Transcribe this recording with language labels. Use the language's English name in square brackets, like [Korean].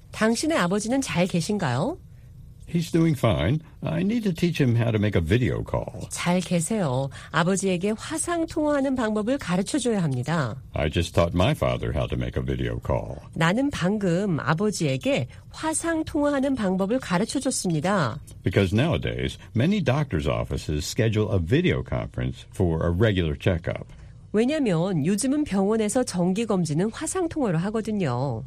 [Korean] 당신의 아버지는 잘 계신가요? [English] He's doing fine. I need to teach him how to make a video call. [Korean] 잘 계세요. 아버지에게 화상 통화하는 방법을 가르쳐줘야 합니다. [English] I just taught my father how to make a video call. [Korean] 나는 방금 아버지에게 화상 통화하는 방법을 가르쳐줬습니다. [English] Because nowadays, many doctor's offices schedule a video conference for a regular checkup. [Korean] 왜냐면 요즘은 병원에서 정기 검진은 화상 통화로 하거든요.